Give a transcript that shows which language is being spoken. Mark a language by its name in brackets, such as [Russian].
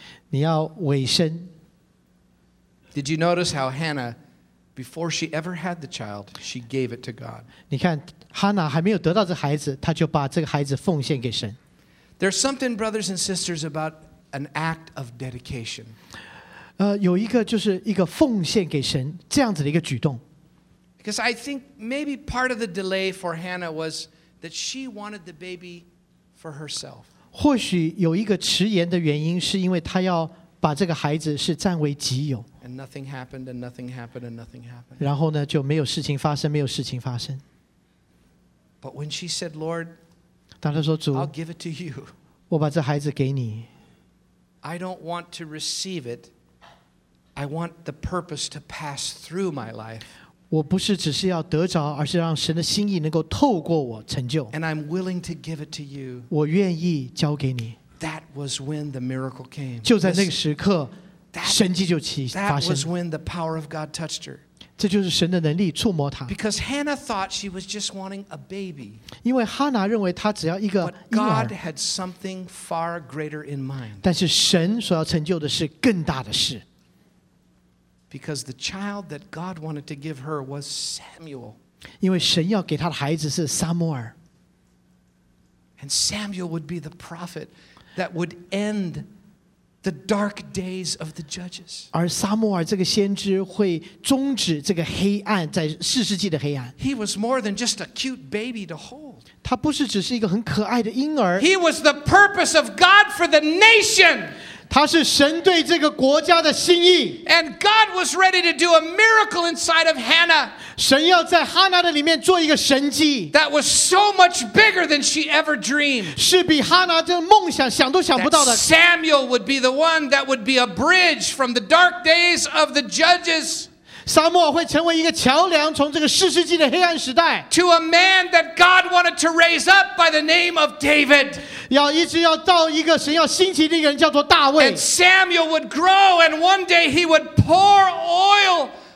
[Chinese] 你要委身。 [English] Did you notice how Hannah, before she ever had the child, she gave it to God? [Chinese] 你看 Hannah 还没有得到这孩子，她就把这个孩子奉献给神。 [English] There's something, brothers and sisters, about an act of dedication. [Chinese] 有一个就是一个奉献给神这样子的一个举动。 [English] Because I think maybe part of the delay for Hannah was that she wanted the baby for herself. [Chinese] 或许有一个迟延的原因是因为她要把这个孩子是占为己有。 [English] And nothing happened, and nothing happened, and nothing happened. [Chinese] 然后呢就没有事情发生，没有事情发生。 [English] But when she said, Lord, [Chinese] 当她说主 [English] I'll give it to you. [Chinese] 我把这孩子给你。 [English] I don't want to receive it. I want the purpose to pass through my life. [Chinese] 我不是只是要得着，而是让神的心意能够透过我成就。 [English] And I'm willing to give it to you. [Chinese] 我愿意交给你。 [English] That was when the miracle came. [Chinese] 就在那个时刻，神迹就起发生。 [English] That was when the power of God touched her. [Chinese] 这就是神的能力触摸她。 [English] Because Hannah thought she was just wanting a baby. [Chinese] 因为哈拿认为她只要一个婴儿。 [English] But God had something far greater in mind. [Chinese] 但是神所要成就的是更大的事。 [English] Because the child that God wanted to give her was Samuel. [Chinese] 因为神要给她的孩子是撒母耳。 [English] And Samuel would be the prophet that would end the dark days of the judges. [Chinese] 而撒母耳这个先知会终止这个黑暗，在四世纪的黑暗。 [English] He was more than just a cute baby to hold. [Chinese] 他不是只是一个很可爱的婴儿。 [English] He was the purpose of God for the nation. [Chinese] 他是神对这个国家的心意。 [English] And God was ready to do a miracle inside of Hannah. [Chinese] 神要在哈拿的里面做一个神迹。 [English] That was so much bigger than she ever dreamed. [Chinese] 是比哈拿的梦想想都想不到的。 [English] Samuel would be the one that would be a bridge from the dark days of the judges. [Chinese] 撒母耳会成为一个桥梁，从这个四世纪的黑暗时代。 [English] To a man that God wanted to raise up by the name of David. [Chinese] 要一直要到一个神要兴起的一个人叫做大卫。 [English] And Samuel would grow, and one day he would pour oil.